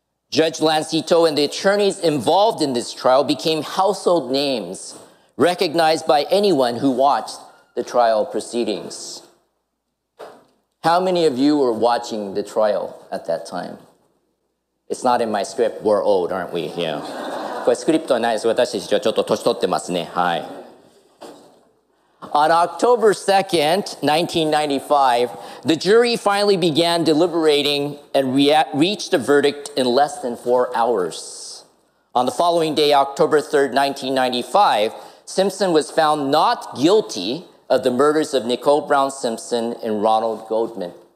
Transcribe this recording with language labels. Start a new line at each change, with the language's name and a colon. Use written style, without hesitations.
English: Judge Lance Ito and the attorneys involved in this trial became household names, recognized by anyone who watched the trial proceedings. How many of you were watching the trial at that time? It's not in my script, we're old, aren't we? Yeah.
Japanese: これスクリプトはないです。私たちはちょっと年取ってますね。はい。
English: On October 2nd, 1995, the jury finally began deliberating and reached a verdict in less than 4 hours. On the following day, October 3rd, 1995, Simpson was found not guilty of the murders of Nicole Brown Simpson and Ronald Goldman.